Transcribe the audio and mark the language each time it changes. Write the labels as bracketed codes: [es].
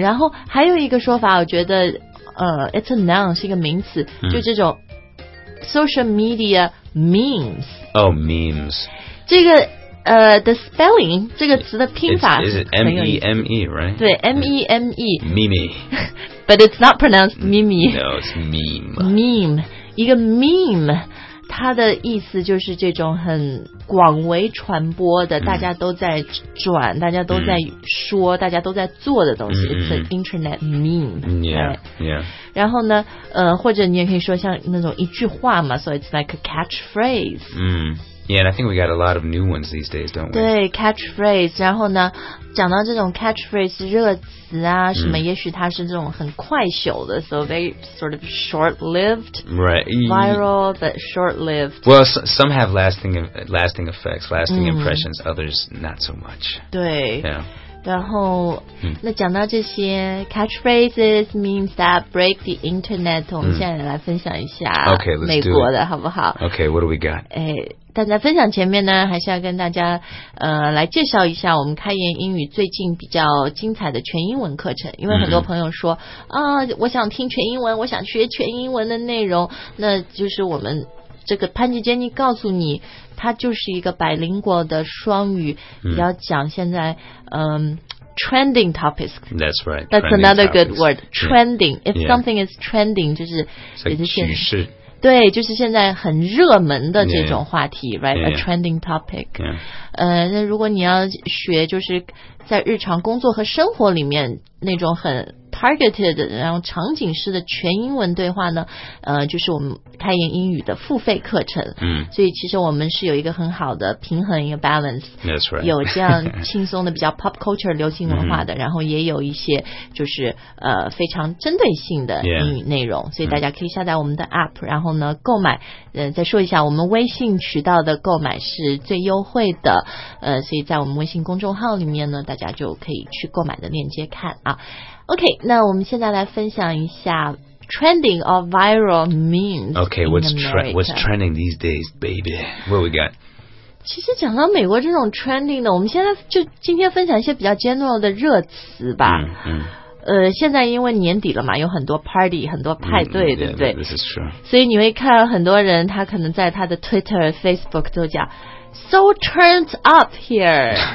[zh] 然后还有一个说法我觉得 [en] it's a noun, [zh] 是一个名词、mm. 就这种 [en] social media memes. Oh, memes. [zh] 这个 [en] the spelling, [zh] 这个词的拼法 [en] is it M-E-M-E, right? [zh] 对 M-E-M-E. [en] Meme. But it's not pronounced meme. No, it's meme. Meme. [zh] 一个 [en] meme. [zh] 它的意思就是这种很广为传播的、大家都在转大家都在说、大家都在做的东西、 [en] It's an internet meme Yeah,、 right? yeah [zh] 然后呢或者你也可以说像那种一句话嘛 [en] So it's like a catchphrase、 Yeah, and I think we got a lot of new ones these days, don't we? [zh] 对 catchphrase 然后呢讲到这种 catchphrase 热词啊什么、也许它是这种很快朽的 [en] So very sort of short-lived Right Viral, but short-lived Well, some have lasting effects, lasting impressions、Others, not so much [zh] 对 [en] Yeah [zh] 然后、那讲到这些 [en] catchphrases means that break the internet、 [zh] 我们现在来分享一下 [en] Okay, let's do it [zh] 美国的好不好 [en] Okay, what do we got? [zh] 但在分享前面呢还是要跟大家来介绍一下我们开言英语最近比较精彩的全英文课程因为很多朋友说啊、我想听全英文我想学全英文的内容那就是我们这个潘吉杰尼告诉你他就是一个百灵果的双语比较讲现在 [en] trending topics that's right that's another good word trending if something is trending [zh] 就是趋势对就是现在很热门的这种话题 right? [en] A trending topic [zh] 那如果你要学就是在日常工作和生活里面那种很 targeted 然后场景式的全英文对话呢就是我们开言英语的付费课程所以其实我们是有一个很好的平衡一个 balance [en] That's right. [zh] 有这样轻松的比较 pop culture 流行文化的然后也有一些就是非常针对性的英语内容所以大家可以下载我们的 app 然后呢购买再说一下我们微信渠道的购买是最优惠的所以在我们微信公众号里面呢大家就可以去购买的链接看啊 OK 那我们现在来分享一下 [en] Trending or viral memes. Okay, what's trending these days, baby? What we got? [zh] 其实讲到美国这种 [en] trending [zh] 的，我们现在就今天分享一些比较 general 的热词吧。现在因为年底了嘛，有很多 party, 很多派对，对不对 [en] yeah, this is true. [zh] 所以你会看很多人，他可能在他的 Twitter、Facebook 都讲 [en] so turned up here.